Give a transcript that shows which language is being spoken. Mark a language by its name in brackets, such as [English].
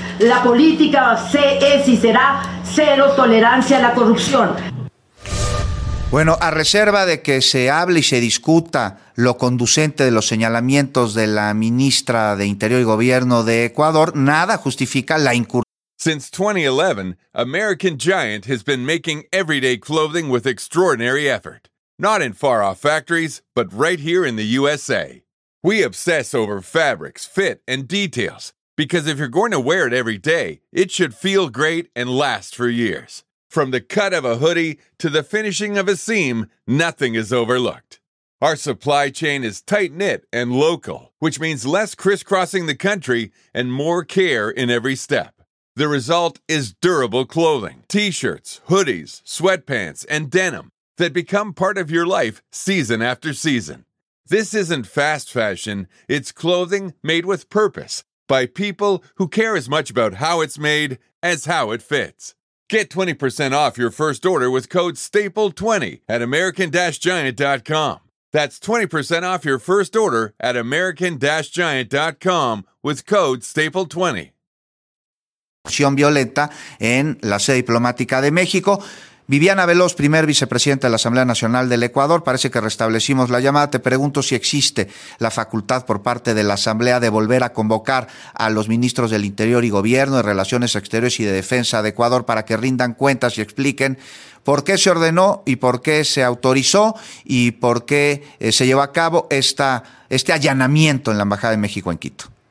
[Spanish] La política es y será cero tolerancia a la corrupción. Bueno, a reserva de que se hable y se discuta lo conducente de los señalamientos de la ministra de Interior y Gobierno de Ecuador, nada justifica la incursión. [English] Since 2011, American Giant has been making everyday clothing with extraordinary effort. Not in far-off factories, but right here in the USA. We obsess over fabrics, fit, and details. Because if you're going to wear it every day, it should feel great and last for years. From the cut of a hoodie to the finishing of a seam, nothing is overlooked. Our supply chain is tight-knit and local, which means less crisscrossing the country and more care in every step. The result is durable clothing, t-shirts, hoodies, sweatpants, and denim that become part of your life season after season. This isn't fast fashion, it's clothing made with purpose, by people who care as much about how it's made as how it fits. Get 20% off your first order with code STAPLE20 at American-Giant.com. That's 20% off your first order at American-Giant.com with code STAPLE20. [Spanish] Acción violenta en la sede diplomática de México. Viviana Veloz, primer vicepresidente de la Asamblea Nacional del Ecuador, parece que restablecimos la llamada. Te pregunto si existe la facultad por parte de la Asamblea de volver a convocar a los ministros del Interior y Gobierno, de Relaciones Exteriores y de Defensa de Ecuador para que rindan cuentas y expliquen por qué se ordenó y por qué se autorizó y por qué se llevó a cabo este allanamiento en la Embajada de México en Quito.